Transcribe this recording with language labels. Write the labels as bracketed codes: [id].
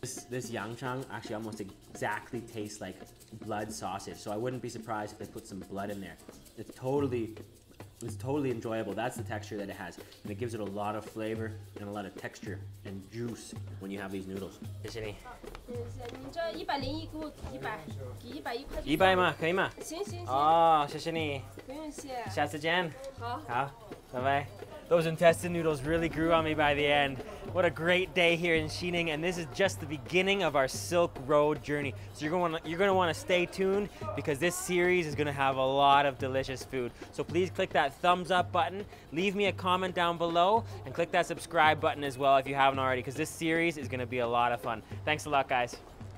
[en] This yangchang actually almost exactly tastes like blood sausage, so I wouldn't be surprised if they put some blood in there. It's totally enjoyable. That's the texture that it has, and it gives it a lot of flavor and a lot of texture and juice when you have these noodles. Xinjiang. [zh] 你这101给我100，100吗？可以吗？行行。哦，谢谢你。不用谢。下次见。好。好，拜拜。 [en] Those intestine noodles really grew on me by the end. What a great day here in Xining, and this is just the beginning of our Silk Road journey. So you're gonna wanna stay tuned because this series is gonna have a lot of delicious food. So please click that thumbs up button, leave me a comment down below, and click that subscribe button as well if you haven't already, because this series is gonna be a lot of fun. Thanks a lot, guys.